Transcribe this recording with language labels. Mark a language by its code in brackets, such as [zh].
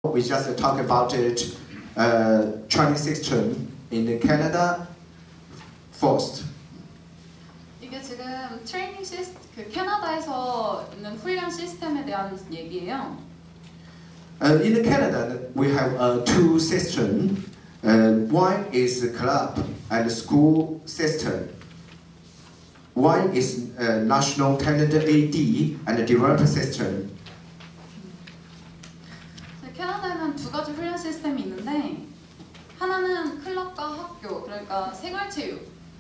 [en] we just talked about it, 2016 in Canada first. [ko] 이게 지금 트레이닝 시스템, 그 캐나다에서 있는 훈련 시스템에 대한 얘기예요. [en] In Canada, we have two systems. One is club and school system. One is national talent AD and development system. [ko] 캐나다에는 두 가지 훈련 시스템이 있는데 하나는 클럽과 학교, 그러니까 생활체육.